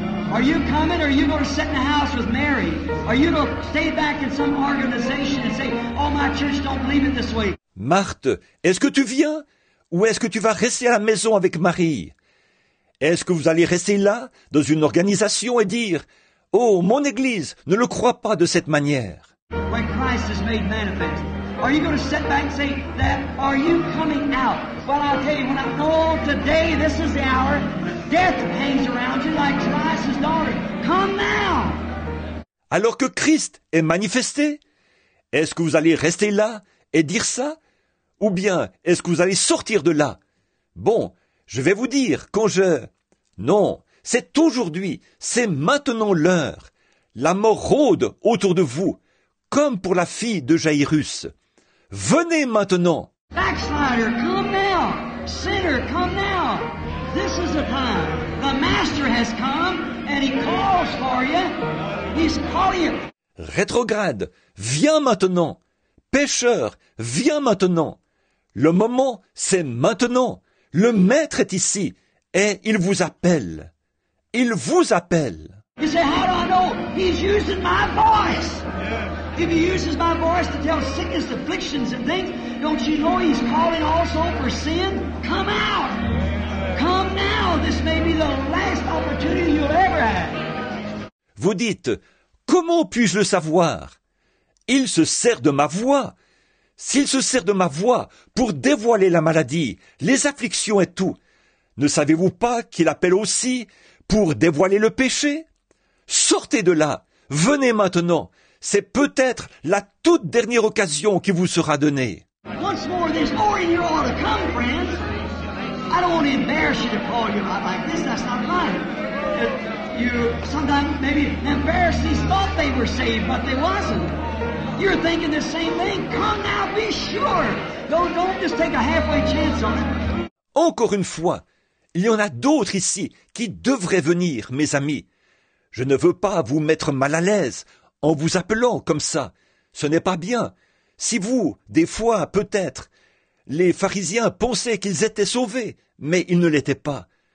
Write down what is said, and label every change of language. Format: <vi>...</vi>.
<en>Are you coming, or are you going to sit in the house with Mary? Are you going to stay back in some organization and say, oh, my church don't believe it this way?</en> <fr>Marthe, est-ce que tu viens, ou est-ce que tu vas rester à la maison avec Marie? Est-ce que vous allez rester là, dans une organisation, et dire, oh, mon église, ne le crois pas de cette manière?</fr> <en>When Christ is made manifest, are you going to sit back and say that? Are you coming out? Well, I'll tell you, when I know today, this is the hour... Death hangs around you like Jairus' daughter. Come now!</en> <fr>Alors que Christ est manifesté, est-ce que vous allez rester là et dire ça? Ou bien est-ce que vous allez sortir de là? Bon, je vais vous dire quand je... Non, c'est aujourd'hui, c'est maintenant l'heure. La mort rôde autour de vous, comme pour la fille de Jaïrus. Venez maintenant.</fr> <en>Backslider, come now. Sinner, come now. This is the time. The master has come and he calls for you. He's calling you.</en> <fr>Rétrograde, viens maintenant. Pécheur, viens maintenant. Le moment, c'est maintenant. Le maître est ici et il vous appelle. Il vous appelle.</fr> <en>You say, how do I know? He's using my voice. If he uses my voice to tell sickness, afflictions and things, don't you know he's calling also for sin? Come out. Come now. This may be the last opportunity you'll ever have.</en> <fr>Vous dites, comment puis-je le savoir? Il se sert de ma voix. S'il se sert de ma voix pour dévoiler la maladie, les afflictions et tout, ne savez-vous pas qu'il appelle aussi pour dévoiler le péché? Sortez de là, venez maintenant, c'est peut-être la toute dernière occasion qui vous sera donnée.</fr> <en>Once more, there's more in you ought to come, friends. I don't want to embarrass you to call you out like this, that's not mine. You sometimes maybe the Pharisees thought they were saved, but they wasn't. You're thinking the same thing. Come now, be sure. Don't just take a halfway chance on it.</en> <fr>Encore une fois, il y en a d'autres ici qui devraient venir, mes amis. Je ne veux pas vous mettre mal à l'aise en vous appelant comme ça. Ce n'est pas bien. Si vous, des fois, peut-être, les pharisiens pensaient qu'ils étaient sauvés, mais ils ne l'étaient pas.</fr>